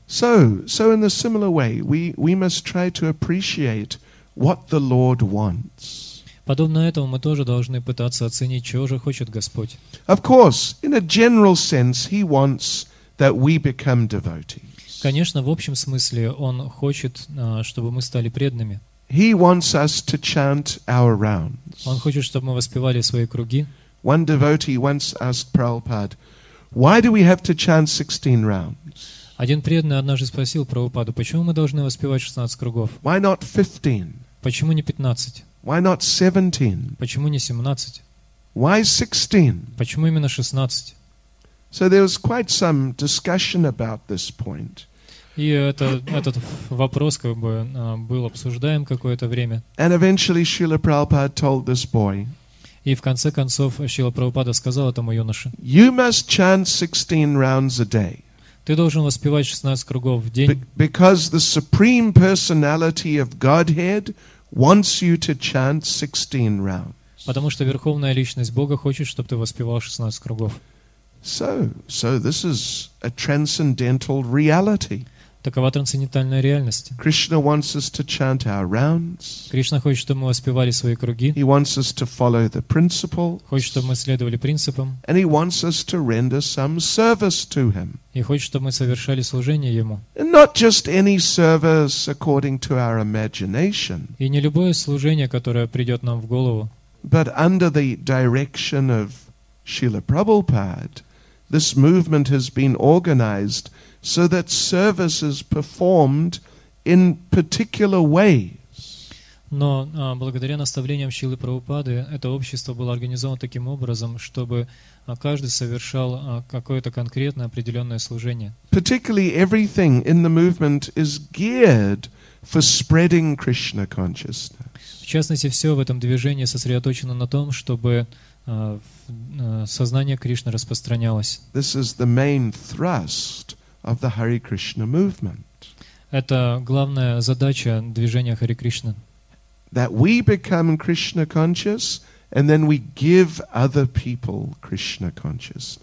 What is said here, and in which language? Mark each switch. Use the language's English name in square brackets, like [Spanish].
[English] So in a similar way, we must try to appreciate what the Lord wants. [Russian] Подобно этому мы тоже должны пытаться оценить, чего же хочет Господь. [English] Of course, in a general sense, he wants that we become devotees. [Russian] Конечно, в общем смысле, он хочет, чтобы мы стали преданными. [English] He wants us to chant our rounds. [Russian] Он хочет, чтобы мы воспевали свои круги. [English] One devotee once asked Prabhupada, why do we have to chant 16 rounds? [Russian] Один преданный однажды спросил Прабхупаду, почему мы должны воспевать 16 кругов? [English] Why not 15? [Russian] Почему не 15? [English] Why not 17? [Russian] Почему не 17? [English] Why 16? [Russian] Почему именно 16? [English] So there was quite some discussion about this point. [Russian] И этот вопрос как бы был обсуждаем какое-то время. [English] And eventually Srila Prabhupada told this boy. [Russian] И в конце концов Шрила Прабхупада сказал этому юноше. [English] You must chant 16 rounds a day. [Russian] Ты должен воспевать 16 кругов в день. [English] Because the supreme personality of Godhead wants you to chant 16 rounds. [Russian] Потому что верховная личность Бога хочет, чтобы ты воспевал 16 кругов. [English] So this is a transcendental reality. [Russian] Такова трансцендентальная реальность. [English] Krishna wants us to chant our rounds. [Russian] Кришна хочет, чтобы мы воспевали свои круги. [English] He wants us to follow the principle. [Russian] Хочет, чтобы мы следовали принципам. [English] And he wants us to render some service to him. [Russian] И хочет, чтобы мы совершали служение ему. [English] And not just any service according to our imagination. [Russian] И не любое служение, которое придет нам в голову. [English] But under the direction of Srila Prabhupada, this movement has been organized so that service is performed in particular ways. [Russian] Но благодаря наставлениям Шрилы Прабхупады это общество было организовано таким образом, чтобы каждый совершал какое-то конкретное определенное служение. [English] Particularly everything in the movement is geared for spreading Krishna consciousness. [Russian] В частности, все в этом движении сосредоточено на том, чтобы сознание Кришны распространялось. [English] This is the main thrust of the Hare Krishna movement. [Russian] Это главная задача движения Hare Krishna. [English] That we become Krishna conscious and then we give other people Krishna consciousness.